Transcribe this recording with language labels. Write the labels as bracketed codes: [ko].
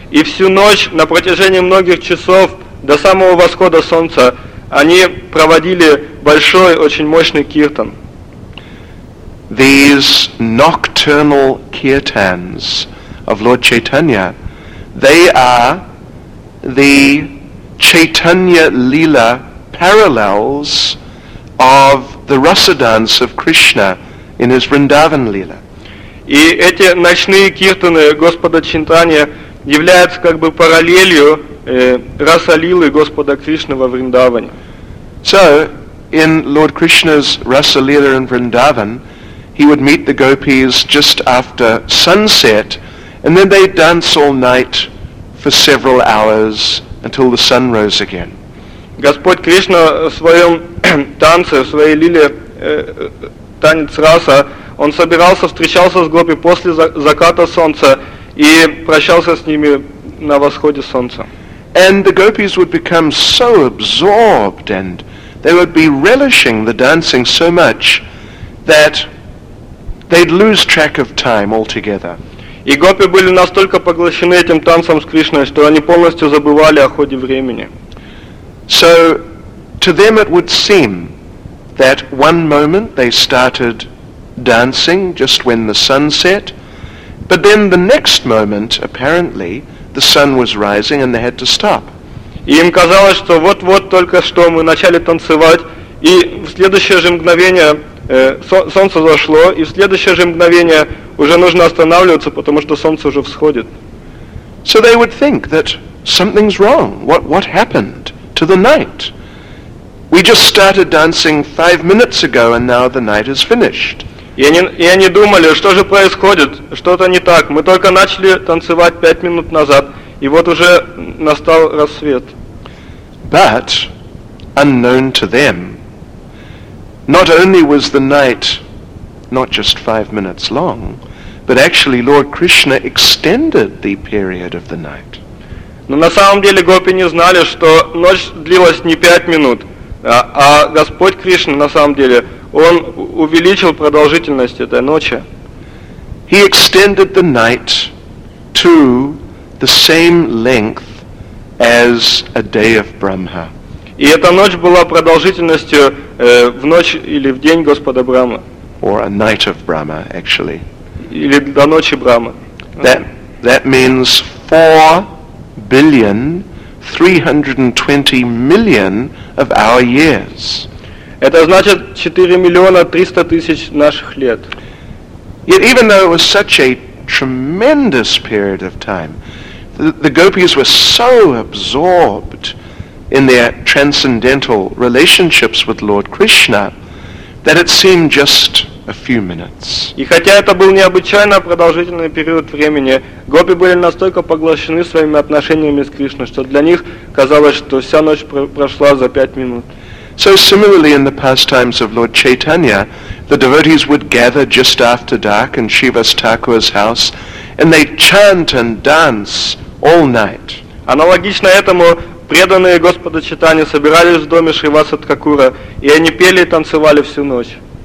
[ru] И всю ночь, на протяжении многих часов, до самого восхода солнца, они проводили большой, очень мощный киртан. [en] These nocturnal kirtans of Lord Chaitanya, they are the Chaitanya Lila parallels of the rasa dance of Krishna in his Vrindavan Lila. [ru] И эти ночные киртаны Господа Чайтанья являются как бы параллелью раса лилы Господа Кришны во Вриндаване. [en] So, in Lord Krishna's rasa lila in Vrindavan, he would meet the gopis just after sunset, and then they'd dance all night for several hours until the sun rose again. [ru] Господь Кришна в своем танце, в своей лиле, танец раса, он собирался, встречался с гопи после заката солнца и прощался с ними на восходе солнца. [en] And the gopis would become so absorbed and they would be relishing the dancing so much that they'd lose track of time altogether. [ru] И гопи были настолько поглощены этим танцем с Кришной, что они полностью забывали о ходе времени. [en] So to them it would seem that one moment they started dancing just when the sun set, but then the next moment apparently the sun was rising and they had to stop. [ru] И им казалось, что вот-вот только что мы начали танцевать, и в следующее же мгновение солнце зашло, и в следующее же мгновение уже нужно останавливаться, потому что солнце уже всходит. [en] So they would think that something's wrong. What happened to the night? We just started dancing 5 minutes ago and now the night is finished. [ru] И они думали, что же происходит, что-то не так. Мы только начали танцевать 5 минут назад, и вот уже настал рассвет. [en] But, unknown to them, not only was the night not just 5 minutes long, but actually Lord Krishna extended the period of the night. [ru] Но на самом деле гопи не знали, что ночь длилась не 5 минут, а Господь Кришна на самом деле Он увеличил продолжительность этой ночи. [en] He extended the night to the same length as a day of Brahma. [ru] И эта ночь была продолжительностью в ночь или в день Господа Брахмы. [en] Or a night of Brahma, actually. [ru] Или до ночи Брахмы. [en] That means 4,320,000,000 of our years. [ru] Это значит 4,300,000 наших лет. [en] Yet even though it was such a tremendous period of time, the gopis were so absorbed in their transcendental relationships with Lord Krishna that it seemed just a few minutes. [ru] И хотя это был необычайно продолжительный период времени, гопи были настолько поглощены своими отношениями с Кришной, что для них казалось, что вся ночь прошла за 5 минут. [en] So similarly in the pastimes of Lord Chaitanya, the devotees would gather just after dark in Shiva's Thakur's house and they'd chant and dance all night. [ru] Аналогично этому преданные Господа Чайтаньи собирались в доме Шрива Садхакура, и они пели и танцевали всю ночь.